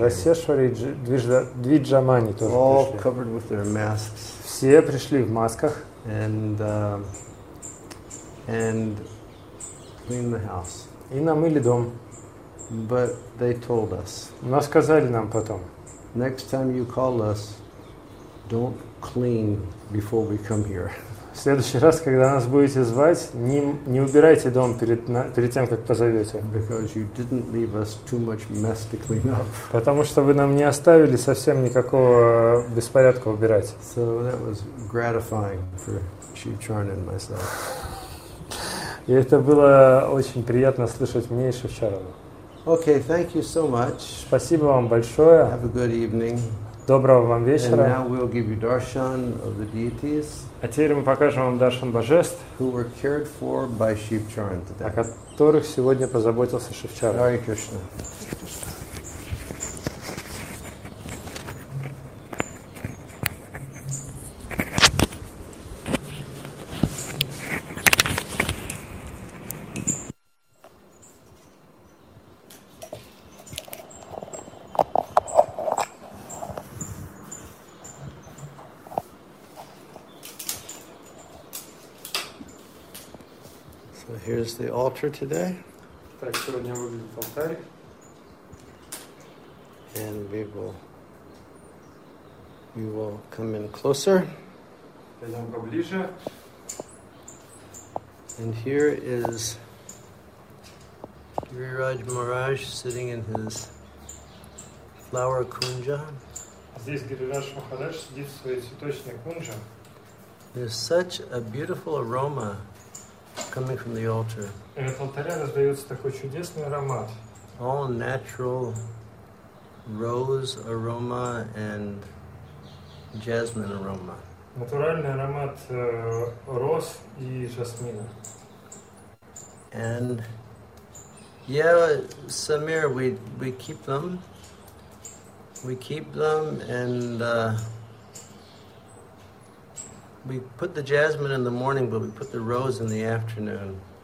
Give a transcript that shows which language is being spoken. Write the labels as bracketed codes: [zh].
[ru] Rasheshwari Dvijamani тоже пришли. [en] All covered with their masks. [ru] Все пришли в масках. [en] And cleaned the house. [ru] И намыли дом. [en] But they told us. [ru] Но сказали нам потом. [en] Next time you call us, don't clean before we come here. [ru] В следующий раз, когда нас будете звать, не убирайте дом перед тем, как позовете. [en] Because you didn't leave us too much mess to clean up. [ru] Потому что вы нам не оставили совсем никакого беспорядка убирать. [en] So that was gratifying for Шивчарн and myself. [ru] И это было очень приятно слышать мне и Шивчарну. [en] Okay, thank you so much. [ru] Спасибо вам большое. [en] Have a good evening. [ru] Доброго вам вечера. [en] And now we'll give you darshan of the deities. [ru] А теперь мы покажем вам даршан божеств, [en] who were cared for by Шивчарн today. [ru] О которых сегодня позаботился Шивчарн. [en] Hare Krishna. Is the altar today? [ru] Так сегодня выглядит алтарь. [en] And we will come in closer. [ru] Пойдем поближе. [en] And here is Giriraj Maharaj sitting in his flower kunja. [ru] Здесь Гирирадж Махарадж сидит в своей цветочной кунже. [en] There's such a beautiful aroma coming from the altar. [ru] От алтаря раздается такой чудесный аромат. [en] All natural rose aroma and jasmine aroma. [ru] Натуральный аромат роз и жасмина. [en] And yeah, Samir, we keep them. We keep them and we put the jasmine in the morning, but we put the rose in the afternoon.